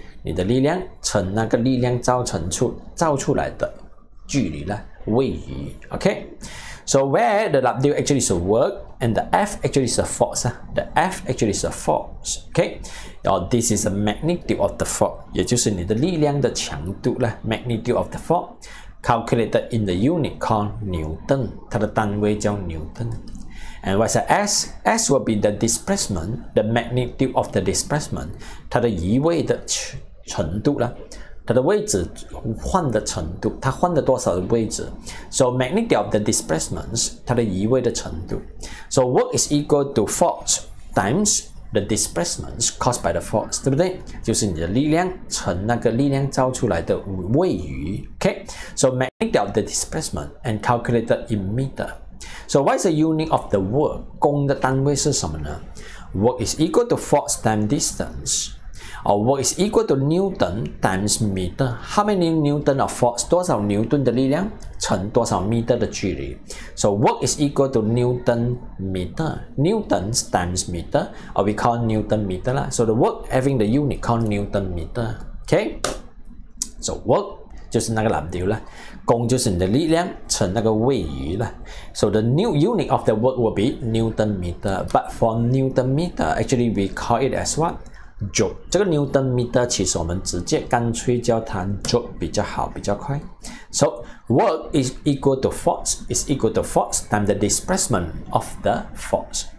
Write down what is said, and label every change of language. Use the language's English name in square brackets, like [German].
[Chinese] 你的力量乘那个力量造出来的距离了位移 Okay? [English] So where the W actually is a work and the F actually is a force. The F actually is a force. Okay? Or this is the magnitude of the force. [Chinese] 也就是你的力量的强度了 [English] magnitude of the force. Calculated in the unit called Newton. [Chinese] 它的单位叫 [English] Newton. And what's the S? S will be the displacement, the magnitude of the displacement. [Chinese] 它的移位的程度了。它的位置换的程度。它换了多少的位置。 [English] So magnitude of the displacement, [Chinese] 它的移位的程度。 [English] So work is equal to force times the displacement caused by the force, [Chinese] 对不对？就是你的力量乘那个力量造出来的位移。 [English] Okay, so magnitude of the displacement and calculated in meter. So what is the unit of the work? [Chinese] 功的单位是什么呢 [English] ？Work is equal to force times distance, or work is equal to Newton times meter. How many Newton of force? [Chinese] 多少牛顿的力量乘多少 meter 的距离 [English] ？So work is equal to Newton meter, Newton times meter, or we call Newton meter lah. So the work having the unit called Newton meter. Okay, so work. [Chinese] 就是那个蓝调了，功就是你的力量乘那个位移了。 [English] So the new unit of the work will be Newton meter. But for Newton meter, actually we call it as what? [Chinese] Joule. 这个 Newton meter 其实我们直接干脆叫它 Joule 比较好，比较快。 [English] So work is equal to force. Is equal to force times the displacement of the force.